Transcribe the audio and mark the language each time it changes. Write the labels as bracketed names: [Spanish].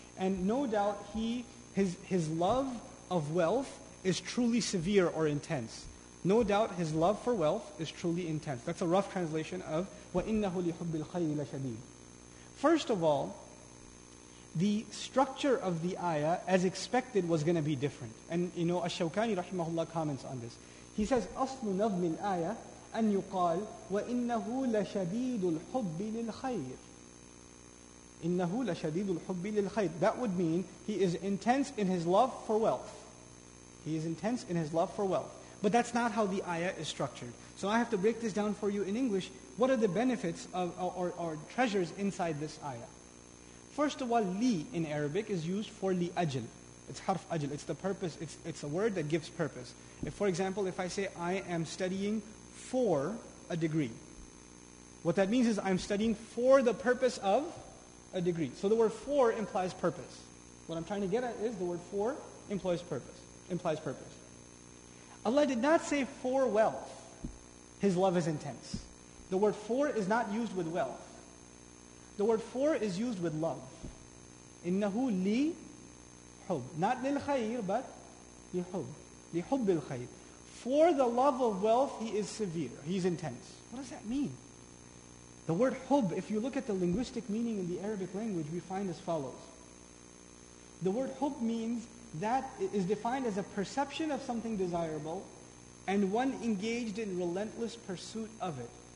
[English] And no doubt, his love of wealth is truly severe or intense. No doubt his love for wealth is truly intense. That's a rough translation of [Arabic] وَإِنَّهُ لِحُبِّ الْخَيْرِ لَشَدِيدٍ. [English] First of all, the structure of the ayah, as expected, was going to be different. And Ash-Shawkani rahimahullah comments on this. He says, [Arabic] أَصْلُ نَظْمِ الْآيَةِ أَنْ يُقَالْ وَإِنَّهُ لَشَدِيدُ الْحُبِّ لِلْخَيْرِ. إِنَّهُ لَشَدِيدُ الْحُبِّ لِلْخَيْرِ. [English] That would mean he is intense in his love for wealth. He is intense in his love for wealth. But that's not how the ayah is structured. So I have to break this down for you in English. What are the benefits of or treasures inside this ayah? First of all, li in Arabic is used for li ajl. It's harf ajl. It's the purpose. It's a word that gives purpose. If, for example, if I say I am studying for a degree, what that means is I'm studying for the purpose of a degree. So the word for implies purpose. What I'm trying to get at is the word for implies purpose. Implies purpose. Allah did not say for wealth. His love is intense. The word for is not used with wealth. The word for is used with love. [Arabic] إِنَّهُ لِي حُبْ. Not لِلْخَيْرِ, but لِحُبْ. لِحُبِّ الْخَيْرِ. [English] for the love of wealth, he is severe. He's intense. What does that mean? The word hub, if you look at the linguistic meaning in the Arabic language, we find as follows. The word hub means that it is defined as a perception of something desirable and one engaged in relentless pursuit of it.